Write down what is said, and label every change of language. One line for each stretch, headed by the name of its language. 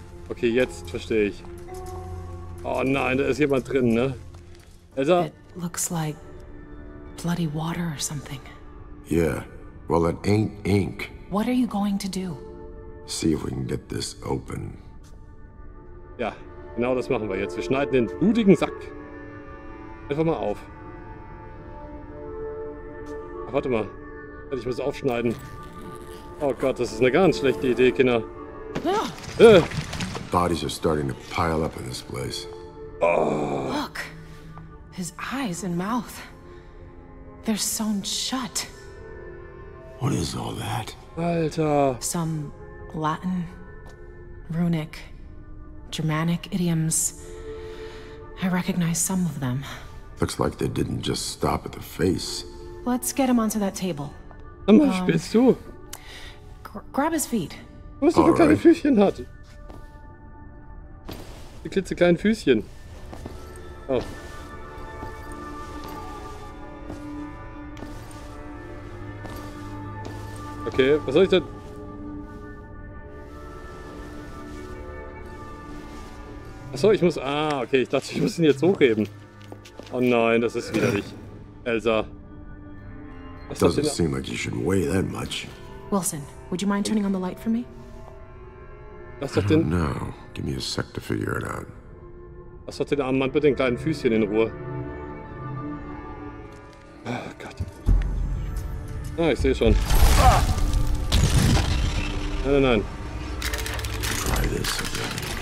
German: Okay, jetzt verstehe ich. Oh nein, da ist jemand drin, ne? Elsa.
English: It looks like bloody water or something. Yeah, well, it ain't ink. What are you going to do? See if we can get this open.
German: Ja, genau das machen wir jetzt. Wir schneiden den blutigen Sack einfach mal auf. Ach, warte mal, ich muss aufschneiden. Oh Gott, das ist eine ganz schlechte Idee, Kinder.
English: The bodies are starting to pile up in this place. Oh. Look. His eyes and mouth, they're sewn shut. What is all that?
German: Alter.
English: Some Latin, runic, Germanic idioms. I recognize some of them. Looks like they didn't just stop at the face. Let's get him onto that table.
German: Zum Beispiel du.
English: Grab his feet.
German: Was du für kleine Füßchen hat. Die klitzekleinen Füßchen. Oh. Okay, was soll ich denn? Achso, ich muss... Ah, okay, ich dachte, ich muss ihn jetzt hochheben. Oh nein, das ist widerlich. Elsa. Was das
English: doesn't seem like you should weigh that much. Wilson, would you mind turning on the light for me?
German: Lass doch den...
English: No, give me a sec to figure it out.
German: Lass doch den armen Mann mit den kleinen Füßchen in Ruhe. Oh Gott. Ah, ich sehe schon. Nein, nein, nein.
English: Try this again.